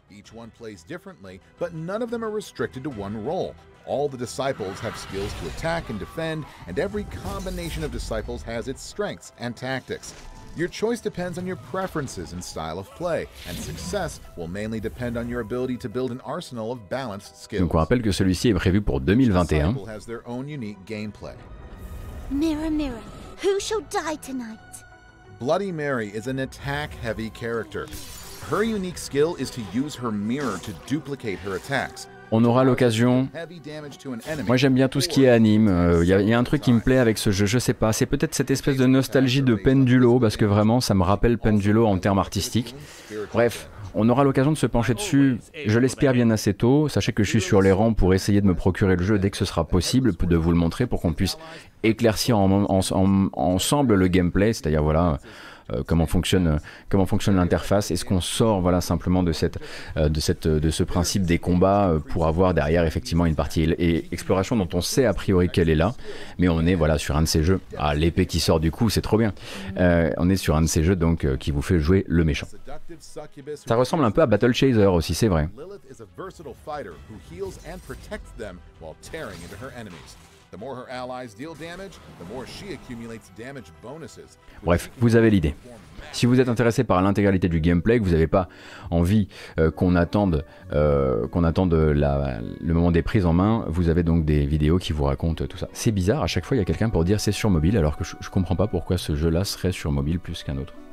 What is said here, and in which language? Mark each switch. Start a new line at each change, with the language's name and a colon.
English: Each one plays differently, but none of them are restricted to one role. All the disciples have skills to attack and defend, and every combination of disciples has its strengths and tactics. Your choice depends on your preferences and style of play, and success will mainly depend on your ability to build an arsenal of balanced skills.
French: Donc on rappelle que celui-ci est prévu pour 2021.
English: Each disciple has their own unique gameplay. Mirror, mirror, who shall die tonight? Bloody Mary is an attack-heavy character. Her unique skill is to use her mirror to duplicate her attacks.
French: On aura l'occasion. Moi, j'aime bien tout ce qui est anime. Il y a un truc qui me plaît avec ce jeu, je sais pas. C'est peut-être cette espèce de nostalgie de Pendulo, parce que vraiment, ça me rappelle Pendulo en termes artistiques. Bref, on aura l'occasion de se pencher dessus, je l'espère bien assez tôt. Sachez que je suis sur les rangs pour essayer de me procurer le jeu dès que ce sera possible, de vous le montrer pour qu'on puisse éclaircir ensemble le gameplay, c'est-à-dire voilà. Comment fonctionne l'interface, est-ce qu'on sort voilà simplement de ce principe des combats pour avoir derrière effectivement une partie et exploration dont on sait a priori qu'elle est là, mais on est voilà sur un de ces jeux, ah l'épée qui sort du coup, c'est trop bien. On est sur un de ces jeux donc qui vous fait jouer le méchant. Ça ressemble un peu à Battle Chaser aussi, c'est vrai.
English: Lilith is a versatile fighter who heals and protects them while tearing into her enemies. The more her allies deal damage, the more she accumulates damage bonuses.
French: Bref, vous avez l'idée. Si vous êtes intéressé par l'intégralité du gameplay, que vous n'avez pas envie qu'on attende le moment des prises en main, vous avez donc des vidéos qui vous racontent tout ça. C'est bizarre, à chaque fois il y a quelqu'un pour dire c'est sur mobile, alors que je comprends pas pourquoi ce jeu-là serait sur mobile plus qu'un autre.